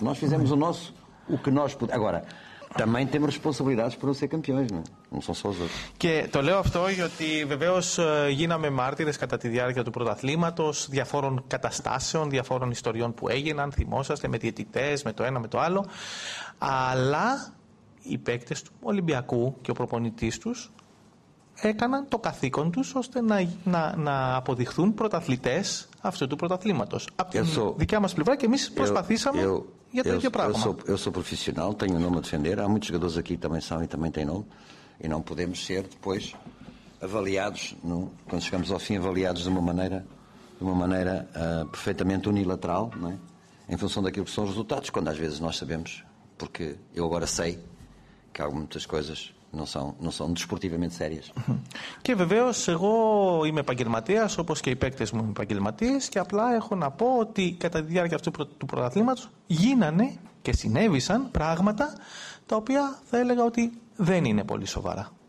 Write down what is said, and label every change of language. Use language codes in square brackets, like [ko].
[pt] Nós fizemos o nosso, o que nós pudemos. Agora. Também temos responsabilidades por não ser campeões, não são só os outros. [el] Και το λέω αυτό γιατί βεβαίως γίναμε μάρτυρες κατά τη διάρκεια του πρωταθλήματος διαφόρων καταστάσεων, διαφόρων ιστοριών που έγιναν, θυμόσαστε, με διαιτητές, με το ένα, με το άλλο. Αλλά οι παίκτες του Ολυμπιακού και ο προπονητής τους έκαναν το καθήκον τους ώστε να αποδειχθούν πρωταθλητές αυτού του πρωταθλήματος. Από την δικιά μας πλευρά και εμείς προσπαθήσαμε για το ίδιο πράγμα. [pt] Eu sou profissional, tenho o nome a defender, há muitos jogadores aqui que também são e também têm nome, e não podemos ser depois avaliados, não? Quando chegamos ao fim, avaliados de uma maneira perfeitamente unilateral, não é? Em função daquilo que são os resultados, quando às vezes nós sabemos, porque eu agora sei que há muitas coisas. Não são desportivamente sérias. [el] Και βεβαίως εγώ είμαι επαγγελματίας, όπως και οι παίκτες μου είναι επαγγελματίες, και απλά έχω να πω ότι κατά τη διάρκεια αυτού του πρωταθλήματος γίνανε και συνέβησαν πράγματα τα οποία θα έλεγα ότι δεν είναι πολύ σοβαρά.